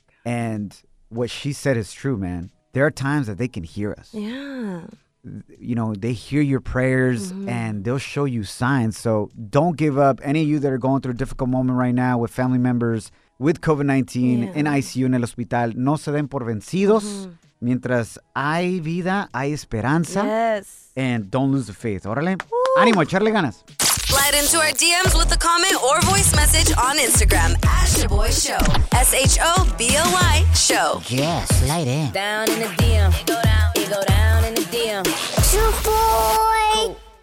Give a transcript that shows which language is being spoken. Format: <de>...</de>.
<en>And what she said is true, man. There are times that they can hear us. Yeah. You know, they hear your prayers and they'll show you signs. So don't give up. Any of you that are going through a difficult moment right now with family members with COVID-19 in ICU,</en> <es>en el hospital, no se den por vencidos.</es> <en>Mm-hmm.</en> <es>Mientras hay vida, hay esperanza.</es> <en>Yes. And don't lose the faith.</en> <es>Órale. Ánimo, echarle ganas.</es> <en>Slide into our DMs with a comment or voice message on Instagram at Shaboy Show. S-H-O-B-O-Y Show. Yeah, slide in. Down in the DM. It go down. It go down in the DM. Shaboy.</en>